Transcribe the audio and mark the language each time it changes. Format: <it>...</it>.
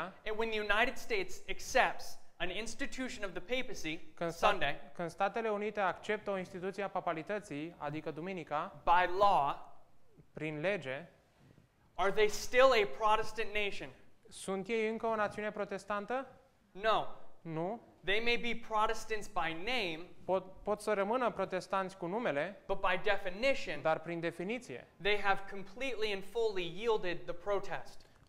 <en>and when the United States accepts an institution of the papacy,</en> <ro>când Statele Unite acceptă o instituție a papalității, adică duminica,</ro> <en>by law,</en> <ro>prin lege,</ro> <en>are they still a Protestant nation?</en> <ro>Sunt ei încă o națiune protestantă?</ro> <en>No.</en> <ro>Nu.</ro> <en>They may be Protestants by name,</en> <ro>pot să rămână protestanți cu numele,</ro> <en>but by definition,</en> <ro>dar prin definiție,</ro> <en>they have completely and fully yielded the protest.</en>